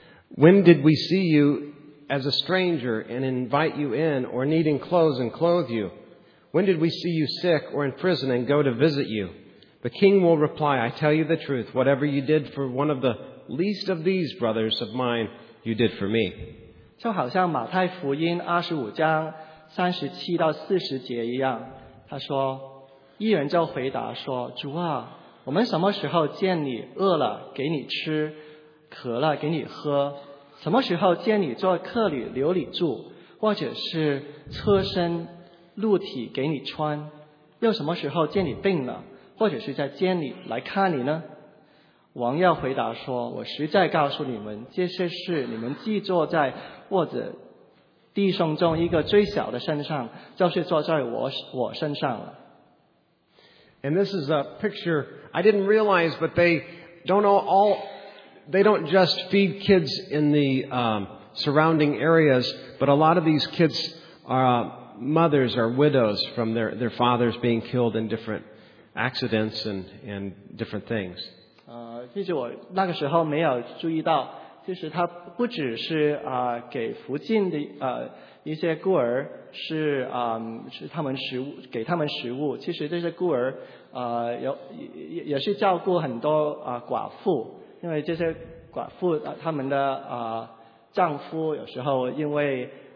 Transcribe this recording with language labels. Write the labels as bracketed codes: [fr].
[en] When did we see you as a stranger and invite you in, or needing clothes and clothe you? When did we see you sick or in prison and go to visit you? The king will reply, I tell you the truth, whatever you did for one of the least of these brothers of mine, you did for me. [zh] 就好像马太福音二十五章三十七到四十节一样。他说，一人就回答说，主啊，我们什么时候见你饿了给你吃，渴了给你喝，什么时候见你做客旅留你住，或者是赤身露体给你穿，又什么时候见你病了，或者是在监里来看你呢？王要回答说，我实在告诉你们，这些事你们既坐在或者弟兄中一个最小的身上，就是坐在我身上了。 [en] And this is a picture I didn't realize, but they don't all. They don't just feed kids in the surrounding areas, but a lot of these kids are mothers are widows from their fathers being killed in different accidents and different things. [zh] 其实我那个时候没有注意到。其实他不只是给附近的一些孤儿是他们食物给他们食物。其实这些孤儿也是照顾很多寡妇，因为这些寡妇他们的丈夫有时候因为